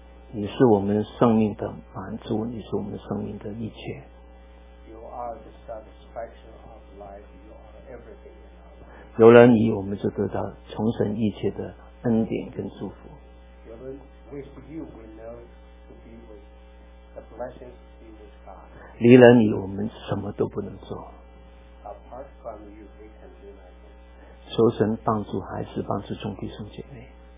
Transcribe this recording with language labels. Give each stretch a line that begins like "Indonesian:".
Chinese: 你是我们生命的满足，你是我们生命的一切。
English: You are the satisfaction of life. You are everything in our life.
Chinese: 有了你，我们就得到从神一切的恩典跟祝福。有了
English: with you, we know to be with the blessings to be with God.
Chinese: 离了你，我们什么都不能做。
English: Apart from you, we can do nothing.
Chinese: 求神帮助孩子，帮助众弟兄姐妹。